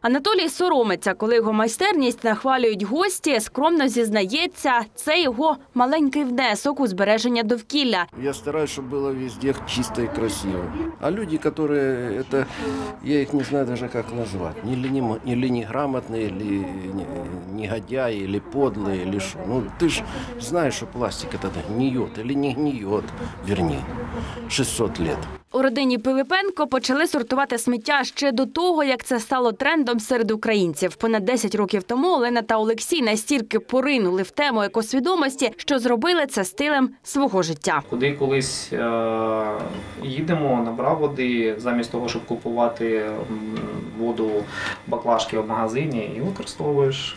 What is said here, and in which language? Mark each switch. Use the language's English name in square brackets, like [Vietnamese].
[Ukrainian] Анатолій соромиться, коли його майстерність нахвалюють гості, скромно зізнається, це його маленький внесок у збереження довкілля. Я стараюсь, щоб було везде чисто і красиво. А люди, які це, я їх не знаю навіть як назвати, ні лініграмотні, ні [Russian] негодяи или подлые, или что. Ну, ты же знаешь, что пластик этот гниет или не гниет, вернее, 600 лет. [Ukrainian] У родині Пилипенко почали сортувати сміття ще до того, як це стало трендом серед українців. Понад 10 років тому Олена та Олексій настільки поринули в тему екосвідомості, що зробили це стилем свого життя. Куди колись їдемо, набрав води, замість того, щоб купувати воду, баклажки в магазині, і використовуєш.